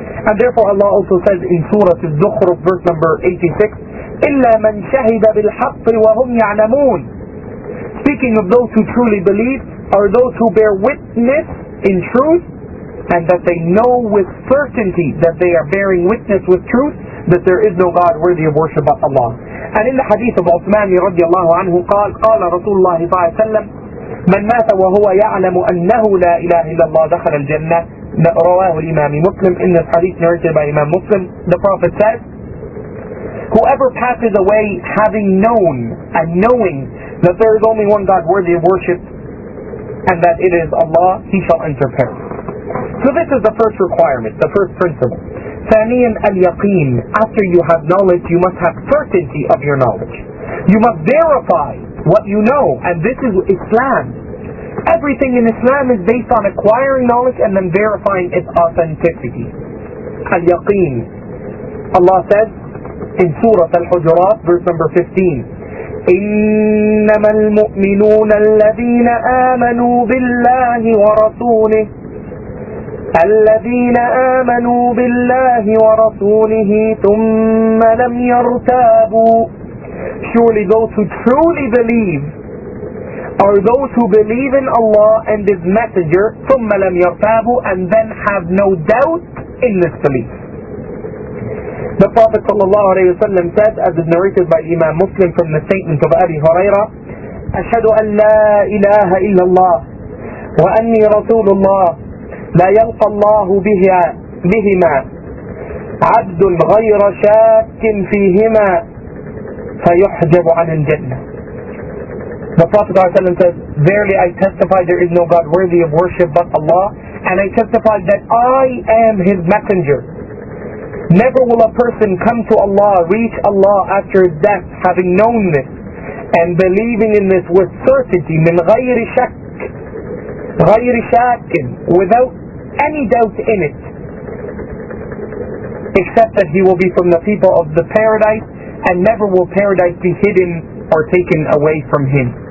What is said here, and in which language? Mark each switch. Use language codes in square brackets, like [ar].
[en] And therefore Allah also says in Surah Al-Zukhruf, verse number 86, [ar] إِلَّا مَنْ شَهِدَ بِالْحَقِّ وَهُمْ يَعْلَمُونَ. [en] Speaking of those who truly believe are those who bear witness in truth, and that they know with certainty that they are bearing witness with truth that there is no God worthy of worship but Allah. And in the hadith of Uthman [ar] رضي الله عنه قال, قال رسول الله صلى الله عليه وسلم, من مات وهو يعلم أنه لا إله إلا الله دخل الجنة. رواه الإمام مسلم. [en] In this hadith narrated by Imam Muslim, the Prophet says, whoever passes away having known and knowing that there is only one God worthy of worship and that it is Allah, he shall enter paradise. So this is the first requirement, the first principle. [ar] ثانياً اليقين. [en] After you have knowledge, you must have certainty of your knowledge. You must verify what you know. And this is Islam. Everything in Islam is based on acquiring knowledge and then verifying its authenticity. [ar] اليقين. [en] Allah says in Surah Al-Hujurat, verse number 15, [ar] إنما المؤمنون الذين آمنوا بالله ورسوله الذين آمنوا بالله ورسوله ثم لم يرتابوا. [en] Surely those who truly believe are those who believe in Allah and His Messenger, [ar] ثم لم يرتابوا, [en] and then have no doubt in this belief. The Prophet sallallahu alayhi wa sallam said, as is narrated by Imam Muslim from the statement of Abi Huraira, [ar] أَشْهَدُ أَنْ لَا إِلَٰهَ إِلَّا اللَّهِ وَأَنِّي رَسُولُ اللَّهِ لَا يَلْقَى اللَّهُ بِهِمَا عَبْدٌ غَيْرَ شَاكٍ فِيهِمَا فَيُحْجَبُ عَنِ الْجَنَّةِ. [en] The Prophet sallallahu alayhi wa sallam said, verily I testify there is no God worthy of worship but Allah, and I testify that I am His Messenger. Never will a person come to Allah, reach Allah after his death, having known this and believing in this with certainty, [ar] من غير شك, غير شك, [en] without any doubt in it, except that he will be from the people of the paradise, and never will paradise be hidden or taken away from him.